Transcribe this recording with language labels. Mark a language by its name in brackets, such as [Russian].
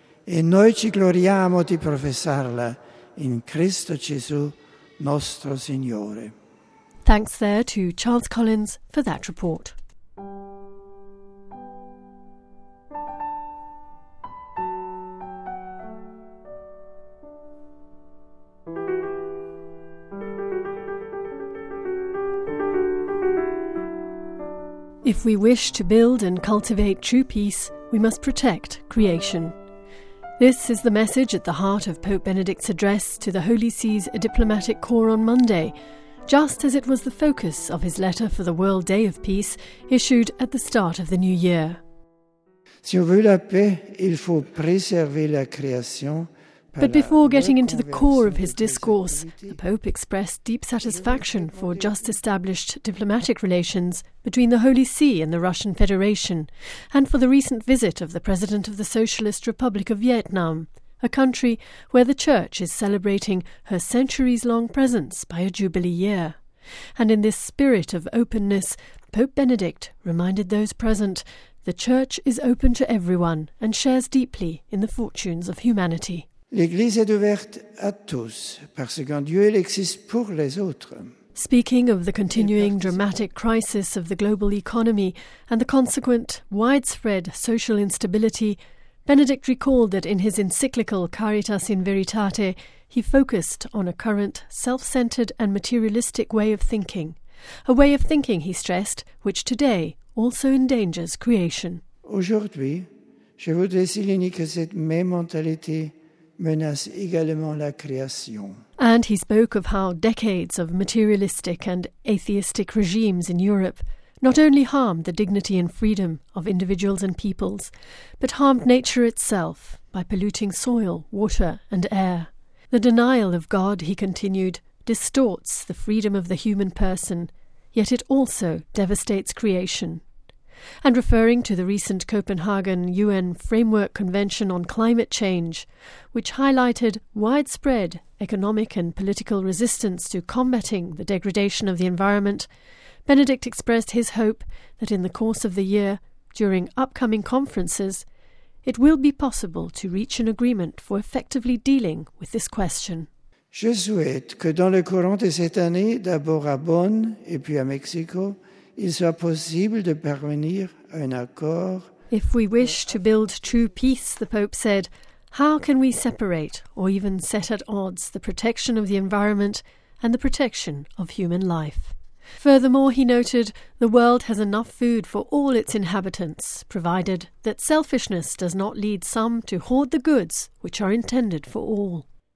[Italian] E noi ci gloriamo di professarla in Cristo Gesù, nostro Signore. [English] Thanks there to Charles Collins for that report. If we wish to build and cultivate true peace, we must protect creation. This is the message at the heart of Pope Benedict's address to the Holy See's diplomatic corps on Monday, just as it was the focus of his letter for the World Day of Peace issued at the start of the new year. [French] Si on veut la paix, il faut préserver la création. [English] But before getting into the core of his discourse, the Pope expressed deep satisfaction for just established diplomatic relations between the Holy See and the Russian Federation, and for the recent visit of the President of the Socialist Republic of Vietnam, a country where the Church is celebrating her centuries-long presence by a jubilee year. And in this spirit of openness, Pope Benedict reminded those present, the Church is open to everyone and shares deeply in the fortunes of humanity. [French] L'Église est ouverte à tous, parce qu'en Dieu, elle existe pour les autres. [English] Speaking of the continuing dramatic crisis of the global economy and the consequent widespread social instability, Benedict recalled that in his encyclical Caritas in Veritate, he focused on a current self-centered and materialistic way of thinking. A way of thinking, he stressed, which today also endangers creation. [French] Aujourd'hui, je voudrais souligner que cette même mentalité menace également la création. [English] And he spoke of how decades of materialistic and atheistic regimes in Europe not only harmed the dignity and freedom of individuals and peoples, but harmed nature itself by polluting soil, water and air. The denial of God, he continued, distorts the freedom of the human person, yet it also devastates creation. And referring to the recent Copenhagen UN Framework Convention on Climate Change, which highlighted widespread economic and political resistance to combating the degradation of the environment, Benedict expressed his hope that in the course of the year, during upcoming conferences, it will be possible to reach an agreement for effectively dealing with this question. [French] Je souhaite que dans le courant de cette année, d'abord à Bonn et puis à Mexico, il soit possible de parvenir à un accord. [English] If we wish to build true peace, the Pope said, how can we separate or even set at odds the protection of the environment and the protection of human life? Furthermore, he noted, the world has enough food for all its inhabitants, provided that selfishness does not lead some to hoard the goods which are intended for all.